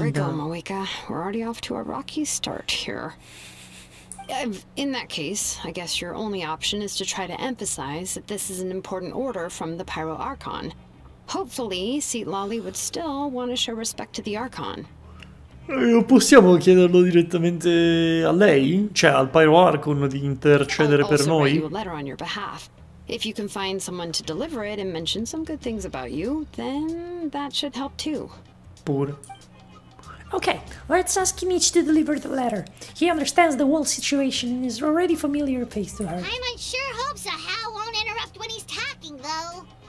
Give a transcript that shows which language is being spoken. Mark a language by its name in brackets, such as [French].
[English] Brigham, Awika, we're already off to a rocky start here. In that case, I guess your only option is to try to emphasize that this is an important order from the Pyro Archon. Hopefully, Seat Lolly would still want to show respect to the Archon. [Italian] Possiamo chiederlo direttamente a lei? Cioè, al Pyro Archon di intercedere per noi? [English] I'll also write a letter on your behalf. If you can find someone to deliver it and mention some good things about you, then that should help too. [Italian] Pure. [English] Okay, let's ask Kimichi to deliver the letter. He understands the whole situation and is already familiar face to her. Paimon sure hopes a Hao won't interrupt when he's talking, though.